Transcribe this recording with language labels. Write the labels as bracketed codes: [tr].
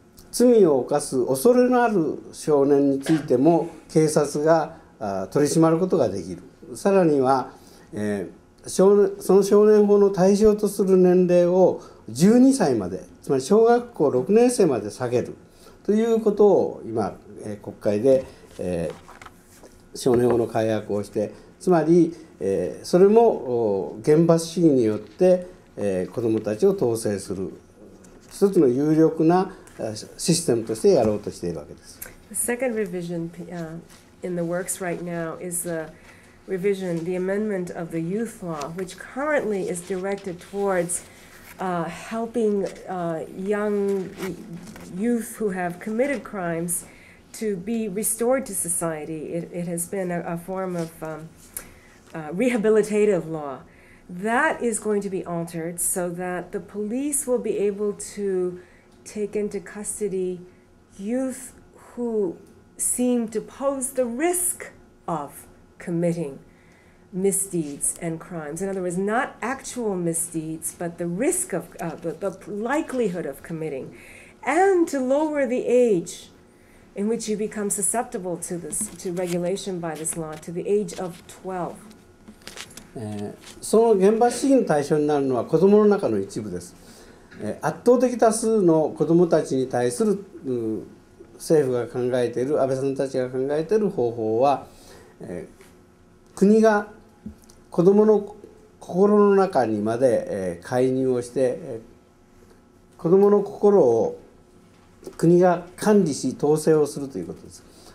[ja] 罪を犯す恐れのある少年についても警察が取り締まることができる、さらには、その少年法の対象とする年齢を12歳まで、つまり小学校6年生まで下げるということを今、国会で、少年法の改悪をして、つまり、それも厳罰主義によって、子どもたちを統制する一つの有力なシステムとしてやろうとしているわけです。 [en] The second revision, in the works right now is the revision, the amendment of the youth law, which currently is directed towards, helping, young youth who have committed crimes to be restored to society. It has been a form of, rehabilitative law. That is going to be altered so that the police will be able to take into custody youth who seem to pose the risk of committing misdeeds and crimes. In other words, not actual misdeeds, but the risk of, the likelihood of committing, and to lower the age in which you become susceptible to this, to regulation by this law, to the age of 12. [ja] その厳罰主義の対象になるのは子どもの中の一部です。圧倒的多数の子どもたちに対する政府が考えている、安倍さんたちが考えている方法は、国が子どもの心の中にまで、介入をして、子どもの心を国が管理し統制をするということです。